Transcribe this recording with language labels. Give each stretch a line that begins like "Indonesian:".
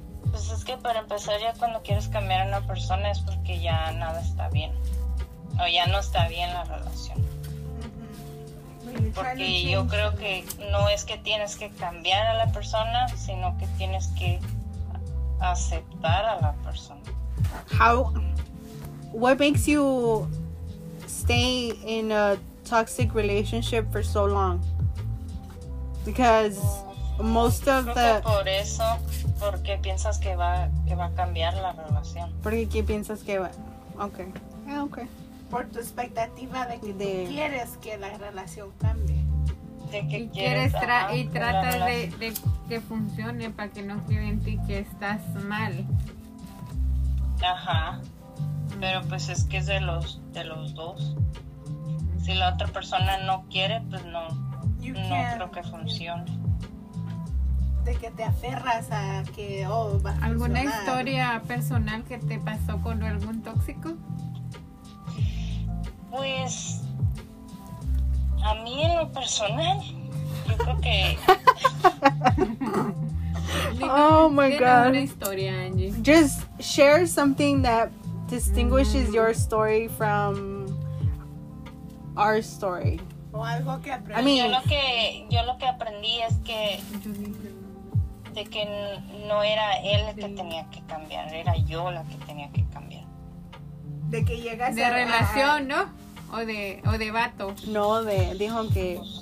Spanish: Pues es que para empezar ya cuando quieres cambiar a una persona es porque ya nada está bien. O ya no está bien la relación. Porque yo creo que no es que tienes que cambiar a la persona, sino que tienes que aceptar a la persona.
English: How, what makes you stay in a toxic relationship for so long? Because most of the...
Spanish: Por eso, porque piensas que va a cambiar la relación. Porque qué piensas que va... Okay. Yeah, okay. Por tu expectativa de que de... tú quieres que la relación cambie. De que quieres y tratas de que funcione para que no quede en ti que estás mal. Ajá. Pero pues es que es de los dos. Si la otra persona no quiere, pues no, no creo que funcione. De que te aferras a que, oh, va a ¿alguna funcionar? ¿Historia personal que te pasó con algún tóxico? Pues, a mí en lo personal, yo creo que...
English: Oh my God.
Spanish: Una historia, Angie.
English: Just share something that distinguishes your story from our story.
Spanish: O algo que aprendí.
English: I mean,
Spanish: yo lo que aprendí es que de que no era él el que tenía que cambiar, era yo la que tenía que cambiar. De que llegas de a relación, ¿no? O de vato. No, de dijo que